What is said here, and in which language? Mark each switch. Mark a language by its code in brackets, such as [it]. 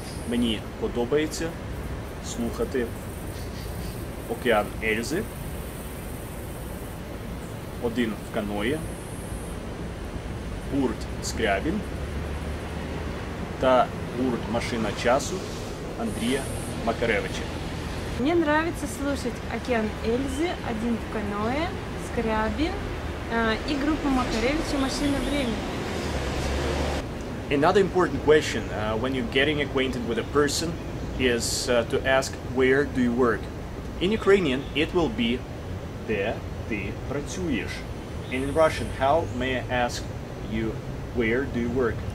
[uk] Мені подобається слухати Океан Ельзи, Один в Каноє, гурт Скриабин та гурт Машина часу Андрія Макаревича. Мені [ru] нравится слушать Океан Ельзи, Один в Каноє, Скриабин и группа Макаревича «Машина времени». [en] Another important question when you're getting acquainted with a person is to ask where do you work. In Ukrainian it will be [uk] «Де ти працюєш?» [en] And in Russian, how may I ask you where do you work?